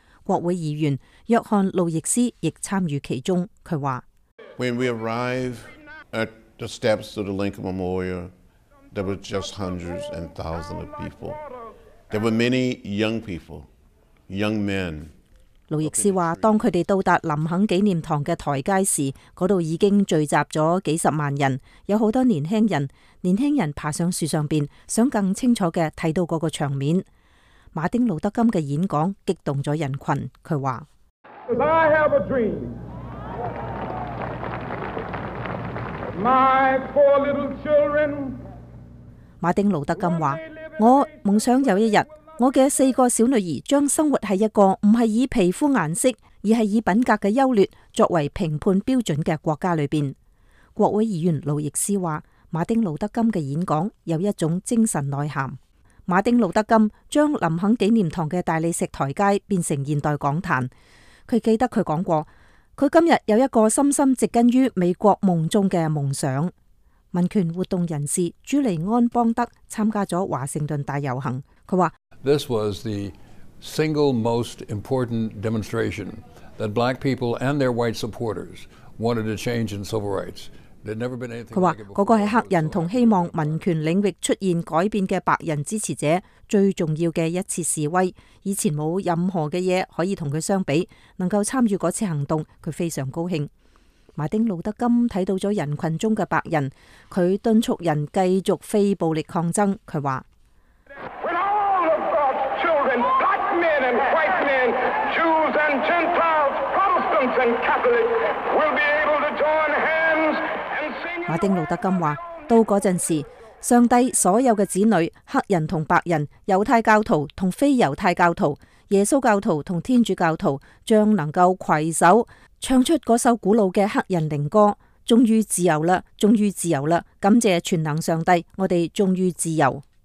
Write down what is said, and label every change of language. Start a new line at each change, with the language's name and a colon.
Chinese: 国会议员约翰·路易斯亦参与其中，他说
English: When we arrive at the steps of the Lincoln Memorial,There were just hundreds and thousands of people. There were many young people, young men.
Chinese: 路易斯说，当他们到达林肯纪念堂的台阶时，那里已经聚集了几十万人，有很多年轻人。年轻人爬上树上边，想更清楚地看到那个场面。马丁路德金的演讲激动了人群，他说
English: I have a dream. My poor little children.
Chinese: 马丁路德金说，我梦想有一日，我的四个小女儿将生活在一个不是以皮肤颜色，而是以品格的优劣作为评判标准的国家里面。国会议员路易斯说，马丁路德金的演讲有一种精神内涵。马丁路德金将林肯纪念堂的大理石台阶变成现代讲坛。他记得他说过，他今日有一个深深植根于美国梦中的梦想。民权活动人士朱利安·邦德参加了华盛顿大游行，他说
English: This was the single most important demonstration that black people and their white supporters wanted to change in civil rights. There'd never been anything.
Chinese: 他说那个是黑人和希望民权领域出现改变的白人支持者最重要的一次示威，以前没有任何的东西可以跟他相比，能够参与那次行动他非常高兴。马丁路德金看到了人群中的白人，他敦促人继续非暴力抗争，他说
English: When all of God's children, black men and white men, Jews and Gentiles, Protestants and Catholics, will be able to join hands and sing
Chinese: 马丁路德金说，到那阵时，上帝所有的子女，黑人和白人，犹太教徒和非犹太教徒，耶稣教徒和天主教徒，将能够携手唱出那首古老的黑人灵歌，终于自由了，终于自由了，感谢全能上帝，我们终于自由。